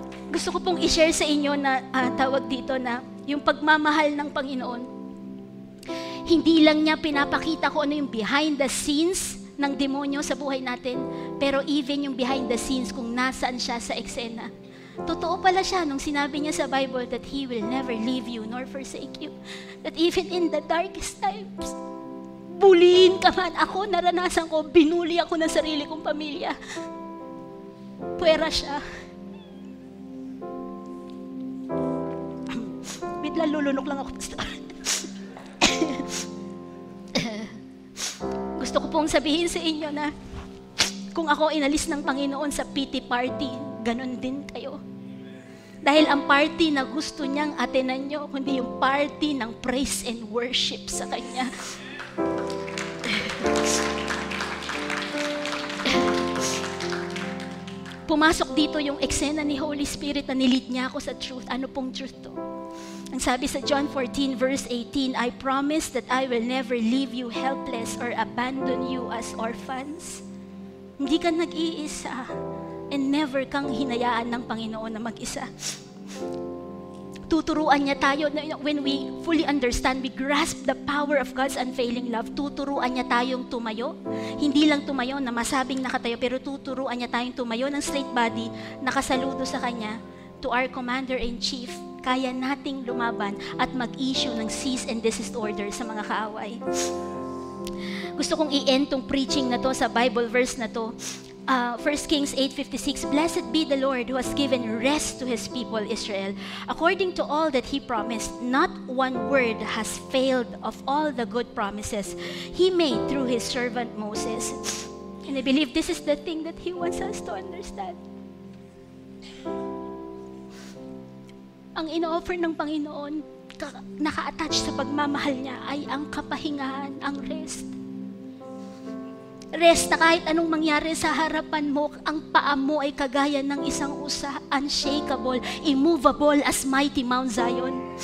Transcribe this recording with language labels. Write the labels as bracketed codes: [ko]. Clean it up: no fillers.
[tl] Gusto ko pong i-share sa inyo na tawag dito na yung pagmamahal ng Panginoon, hindi lang niya pinapakita ko ano yung [en] behind the scenes [tl] ng demonyo sa buhay natin, pero even yung behind the scenes kung nasaan siya sa eksena. Totoo pala siya nung sinabi niya sa Bible [en] that He will never leave you nor forsake you. That even in the darkest times, [tl] bulihin ka man. Ako, naranasan ko, binuli ako ng sarili kong pamilya. Pwera siya. Wait lang, lulunok lang ako. Gusto ko pong sabihin sa inyo na kung ako inalis ng Panginoon sa [en] pity party, [tl] ganun din kayo. Dahil ang party na gusto niyang atenan nyo, kundi yung party ng [en] praise and worship [tl] sa Kanya. Pumasok dito yung eksena ni Holy Spirit na nilid niya ako sa truth. Ano pong truth to? Ang sabi sa [en] John 14 verse 18, I promise that I will never leave you helpless or abandon you as orphans. [tl] Hindi ka nag-iisa, [en] and never [tl] kang hinayaan ng Panginoon na mag-isa. Tuturuan niya tayo, [en] when we fully understand, we grasp the power of God's unfailing love, [tl] tuturuan niya tayong tumayo. Hindi lang tumayo na masabing nakatayo, pero tuturuan niya tayong tumayo ng [en] straight body, [tl] nakasaludo sa Kanya, [en] to our Commander-in-Chief, [tl] kaya nating lumaban at mag-issue ng [en] cease and desist order [tl] sa mga kaaway. Gusto kong i-end tong preaching na to sa Bible verse na to. [en] 1 Kings 8:56, Blessed be the Lord who has given rest to His people Israel. According to all that He promised, not one word has failed of all the good promises He made through His servant Moses. And I believe this is the thing that He wants us to understand. [tl] Ang ino-offer ng Panginoon, naka-attach sa pagmamahal niya, ay ang kapahingahan, ang rest. Rest na kahit anong mangyari sa harapan mo, ang paa mo ay kagaya ng isang usa, [en] unshakable, immovable as mighty Mount Zion.